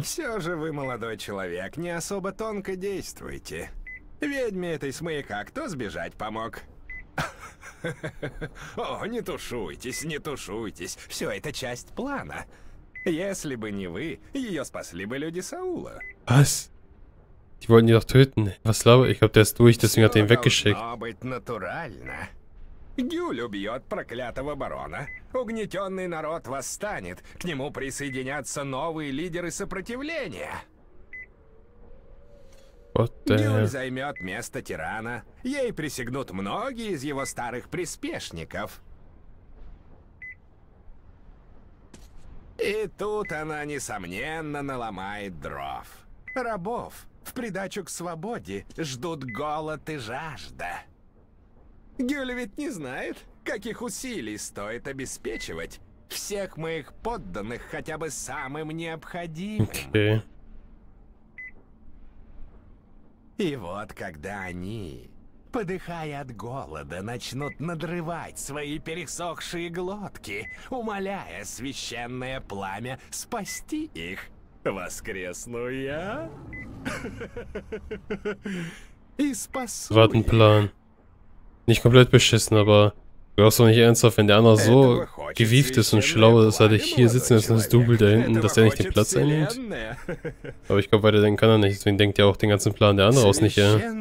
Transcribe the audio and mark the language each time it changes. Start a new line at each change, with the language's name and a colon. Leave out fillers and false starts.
Russian: Все же вы, молодой человек, не особо тонко действуете. Ведьме этой с маяка кто сбежать помог? О, не тушуйтесь, не тушуйтесь. Все это часть плана. Если бы не вы, ее спасли бы люди Саула.
German: Was? Die wollten ihn doch töten. Was glaube ich? Ich glaube, der ist durch, deswegen hat er ihn weggeschickt.
Russian: Все должно быть натурально. Гюль убьет проклятого барона. Угнетенный народ восстанет. К нему присоединятся новые лидеры сопротивления. Гюль займет место тирана. Ей присягнут многие из его старых приспешников. И тут она, несомненно, наломает дров. Рабов в придачу к свободе ждут голод и жажда. Гюль ведь не знает, каких усилий стоит обеспечивать всех моих подданных хотя бы самым необходимым.
English: Okay.
Russian: И вот когда они, подыхая от голода, начнут надрывать свои пересохшие глотки, умоляя священное пламя спасти их, воскресну я и спасу.
German: Warten Plan. Nicht komplett beschissen, aber du hast doch nicht ernsthaft, wenn der andere so gewieft ist und schlau, dass er dich hier sitzen lässt und das Double da hinten, dass er nicht den Platz einnimmt. Aber ich glaube, weiterdenken kann er nicht, deswegen denkt er auch den ganzen Plan der anderen aus nicht, ja.